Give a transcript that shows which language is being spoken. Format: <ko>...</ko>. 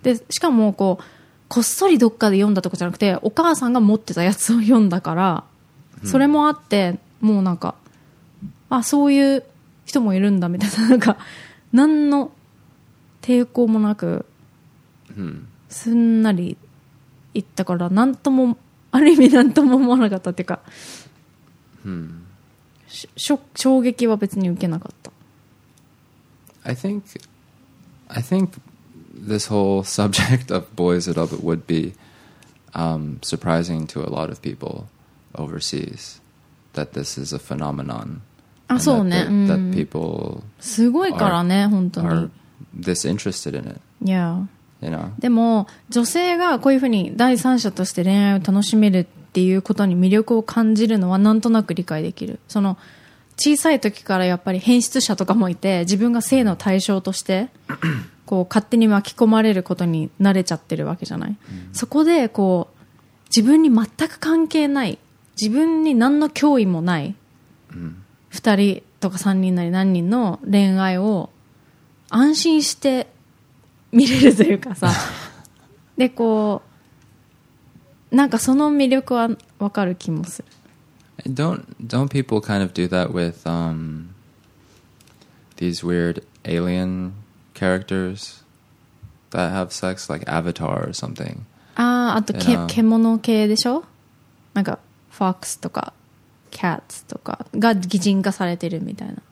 <ja>でしかもこうこっそりどっかで読んだとこじゃなくてお母さんが持ってたやつを読んだから、うん、それもあってもうなんか、あ、そういう人もいるんだみたいな、なんか何の抵抗もなく、うん、すんなりいったから何ともある意味何とも思わなかったっていうか、うん、衝撃は別に受けなかった。</ja> <en>I think this whole subject of boys and love would be surprising to a lot of people overseas. That this is a phenomenon.</en> <ja>あ、そうね。うん。</ja> <en>That people</en> <ja>すごいからね、本当に。</ja> <en>Are this interested in it. Yeah. You know?</en> <ja>でも、女性がこういうふうに第三者として恋愛を楽しめるっていうことに魅力を感じるのはなんとなく理解できる。その、小さい時からやっぱり変質者とかもいて、自分が性の対象として、こう、勝手に巻き込まれることに慣れちゃってるわけじゃない。うん、そこで、こう、自分に全く関係ない。自分に何の脅威もない、うん、 2人とか3人なり何人の恋愛を安心して見れるというかさでこうなんかその魅力は分かる気もする。</ja> <en>Don't people kind of do that with these weird alien characters that have sex like Avatar or something?</en> <ja>あと獣系でしょ、なんかフォックスとかキャッツとかが擬人化されてるみたいな。</ja>